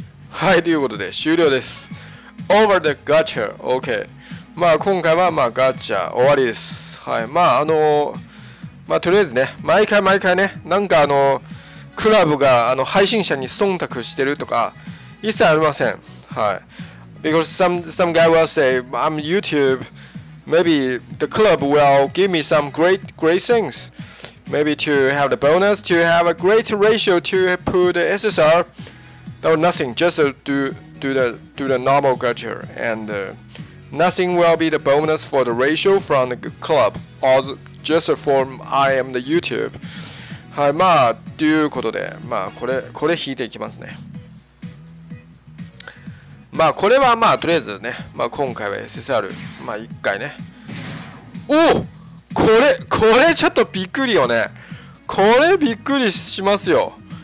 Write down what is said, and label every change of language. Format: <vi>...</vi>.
<ja>はい、ということで終了です。</ja> <en>Over the gacha, OK。</en> <ja>まあ今回はまあガチャ終わりです。はい、まあまあとりあえずね、毎回ね、なんかクラブが配信者に忖度してるとか一切ありません。はい。</ja> <en>Because some guy will say I'm YouTube, maybe the club will give me some great things. Maybe to have the bonus, to have a great ratio to put the SSR, or nothing, just do the normal gacha, and nothing will be the bonus for the ratio from the club, or just for I am the YouTube.</en> <ja>はい、まあ、ということで、まあ、これ引いていきますね。まあ、これはまあ、とりあえずね、まあ、今回は SSR、まあ、一回ね。おおこれちょっとびっくりよね。これびっくりしますよ。</ja>